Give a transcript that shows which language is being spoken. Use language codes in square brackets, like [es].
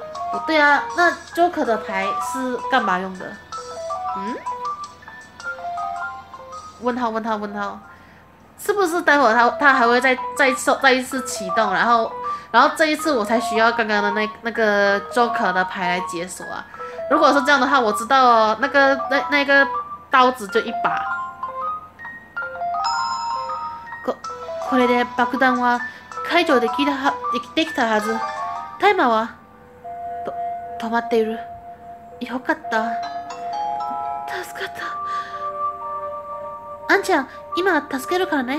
[zh] 不对啊，那 Joker 的牌是干嘛用的？问号问号问号，是不是待会他还会再一次启动，然后这一次我才需要刚刚的那个 Joker 的牌来解锁啊？如果是这样的话，我知道哦，那个刀子就一把。 [ja] これで爆弾は解除できたはず。タイマーは止まっている。よかった。助かった。アンちゃん、今助けるからね。